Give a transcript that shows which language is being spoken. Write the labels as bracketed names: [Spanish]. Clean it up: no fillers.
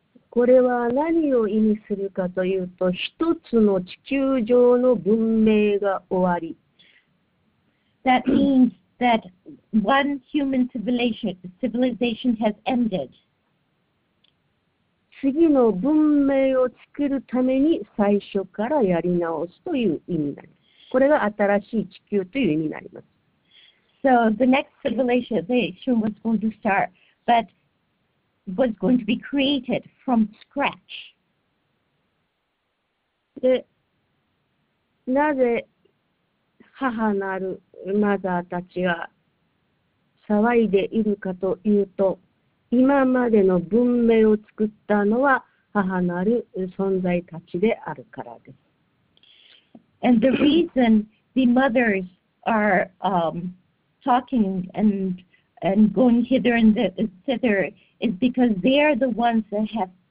[Japanese] これは何を意味するかというと、一つの地球上の文明が終わり。 [English] That means that one human civilization has ended. [Japanese] 次の文明を作るために最初からやり直すという意味なんです。これが新しい地球という意味になります。 [English] So the next civilization was going to start, butwas going to be created from scratch. [Japanese] で、なぜ母なるマザーたちが騒いでいるかというと、今までの文明を作ったのは母なる存在たちであるからです。 [English] And the reason the mothers are talking and going hither and thither is because they are the ones that have